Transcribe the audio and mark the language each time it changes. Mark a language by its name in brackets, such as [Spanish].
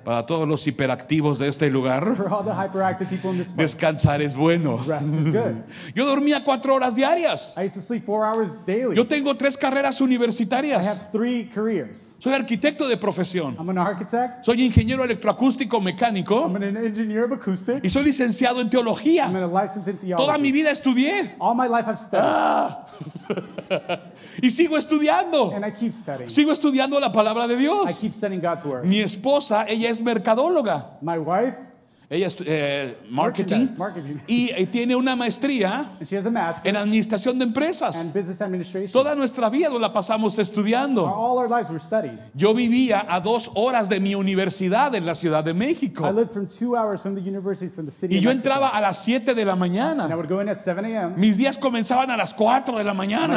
[Spanish] Para todos los hiperactivos de este lugar, [English] for all the hyperactive people in this place, [Spanish] descansar es bueno. [English] Rest is good. [Spanish] Yo dormía 4 horas diarias. [English] I used to sleep 4 hours daily. [Spanish] Yo tengo 3 carreras universitarias. [English] I have 3 careers. [Spanish] Soy arquitecto de profesión. [English] I'm an architect. [Spanish] Soy ingeniero electroacústico mecánico. [English] I'm an engineer of acoustics. [Spanish] Y soy licenciado en teología. [English] I'm a licensed in theology. [Spanish] Toda mi vida estudié. [English] All my life I've studied. [Spanish] Ah. Y sigo estudiando. [English] And I keep studying. [Spanish] Sigo estudiando la palabra de Dios. [English] I keep studying God's word. [Spanish] Mi esposa, ella es mercadóloga. [English] My wife, [Spanish] ella es marketing. [English] Marketing. [Spanish] Y tiene una maestría [English] and she has a master's [Spanish] en administración de empresas. [English] And business administration. [Spanish] Toda nuestra vida la pasamos estudiando. [English] All our lives were studying. [Spanish] Yo vivía a 2 horas de mi universidad en la Ciudad de México. [English] I lived from 2 hours from the university from the city. [Spanish] Y yo entraba a las 7 de la mañana. [English] And I would go in at 7 a.m. [Spanish] Mis días comenzaban a las 4 de la mañana.